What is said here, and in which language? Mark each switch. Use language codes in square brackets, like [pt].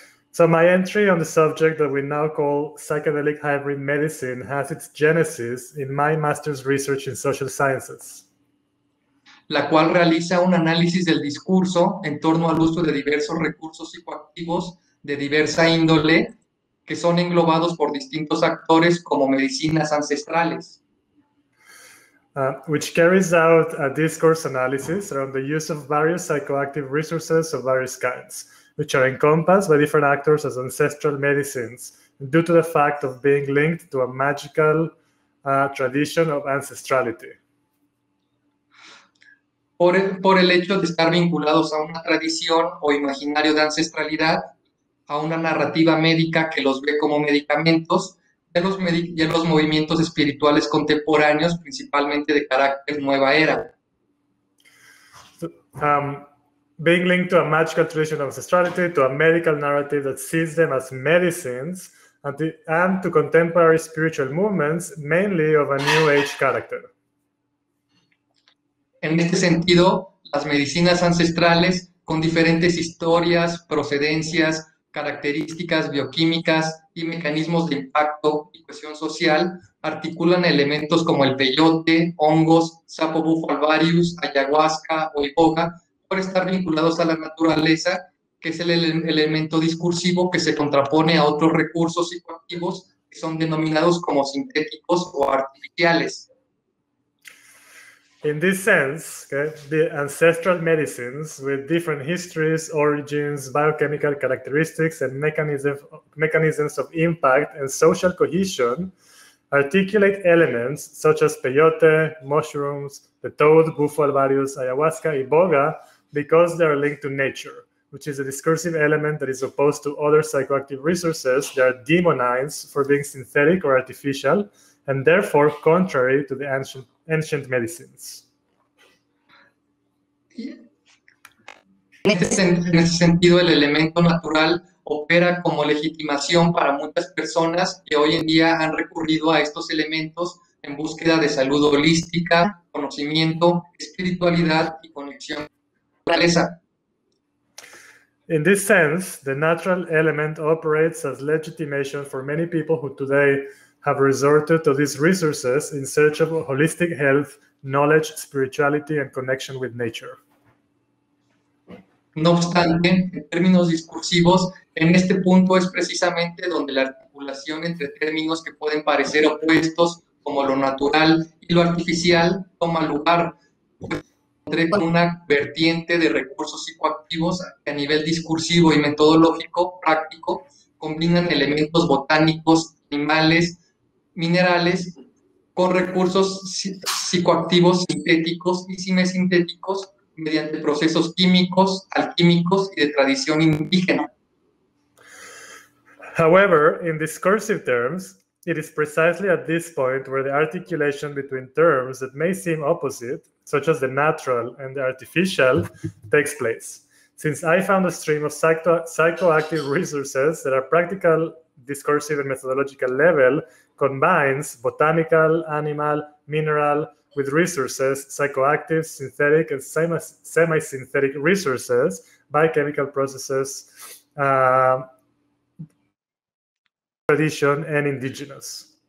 [en] So my entry on the subject that we now call Psychedelic Hybrid Medicine has its genesis in my master's research in social sciences. [es] La cual realiza un análisis del discurso en torno al uso de diversos recursos psicoactivos de diversa índole que son englobados por distintos actores como medicinas ancestrales. [en] Which carries out a discourse analysis around the use of various psychoactive resources of various kinds, which are encompassed by different actors as ancestral medicines due to the fact of being linked to a magical tradition of ancestrality. [es] Por el hecho de estar vinculados a una tradición o imaginario de ancestralidad, a una narrativa médica que los ve como medicamentos y a los movimientos espirituales contemporáneos, principalmente de carácter nueva era. [en] So, being linked to a magical tradition of ancestrality, to a medical narrative that sees them as medicines, and to contemporary spiritual movements, mainly of a new age character. [es] En este sentido, las medicinas ancestrales, con diferentes historias, procedencias, características bioquímicas y mecanismos de impacto y cohesión social articulan elementos como el peyote, hongos, sapo búfalo varius, ayahuasca o iboga por estar vinculados a la naturaleza, que es el elemento discursivo que se contrapone a otros recursos psicoactivos que son denominados como sintéticos o artificiales. [en] In this sense, okay, the ancestral medicines with different histories, origins, biochemical characteristics, and mechanisms of impact and social cohesion articulate elements such as peyote, mushrooms, the toad, búfalo varius, ayahuasca, iboga, because they are linked to nature, which is a discursive element that is opposed to other psychoactive resources that are demonized for being synthetic or artificial, and therefore contrary to the ancient medicines. [es] En ese sentido, el elemento natural opera como legitimación para muchas personas que hoy en día han recurrido a estos elementos en búsqueda de salud holística, conocimiento, espiritualidad y conexión con la naturaleza. [en] In this sense, the natural element operates as legitimation for many people who today have resorted to these resources in search of holistic health, knowledge, spirituality, and connection with nature. [es] No obstante, en términos discursivos, en este punto es precisamente donde la articulación entre términos que pueden parecer opuestos o como lo natural y lo artificial toma lugar. Encontré con una vertiente de recursos psicoactivos que a nivel discursivo y metodológico práctico combinan elementos botánicos, animales, minerales, con recursos psicoactivos sintéticos y semisintéticos mediante procesos químicos, alquímicos y de tradición indígena. [en] However, in discursive terms, it is precisely at this point where the articulation between terms that may seem opposite, such as the natural and the artificial, takes place. Since I found a stream of psychoactive resources that are practical, discursive, and methodological level combines botanical, animal, mineral with resources, psychoactive, synthetic, and semi-synthetic resources, biochemical processes, tradition and indigenous.